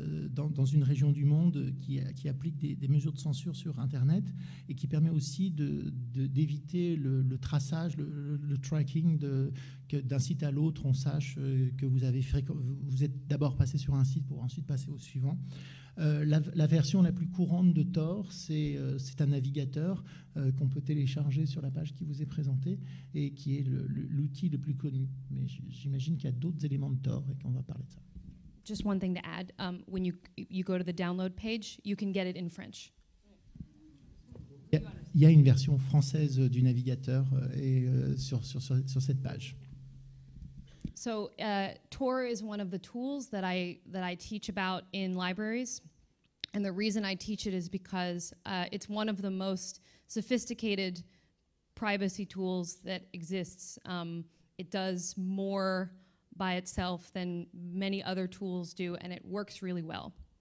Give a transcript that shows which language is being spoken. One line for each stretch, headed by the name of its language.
French: dans une région du monde qui applique des mesures de censure sur Internet, et qui permet aussi d'éviter le traçage, le tracking que d'un site à l'autre, on sache que vous êtes d'abord passé sur un site pour ensuite passer au suivant. La version la plus courante de Tor, c'est un navigateur qu'on peut télécharger sur la page qui vous est présentée et qui est l'outil le plus connu. Mais j'imagine qu'il y a d'autres éléments de Tor et qu'on va parler de ça.
English: Just one thing to add, when you go to the download page, you can get it in French.
French: Il y a une version française du navigateur sur cette page.
English: So Tor is one of the tools that I teach about in libraries. And the reason I teach it is because it's one of the most sophisticated privacy tools that exists. It does more by itself than many other tools do, and it works really well.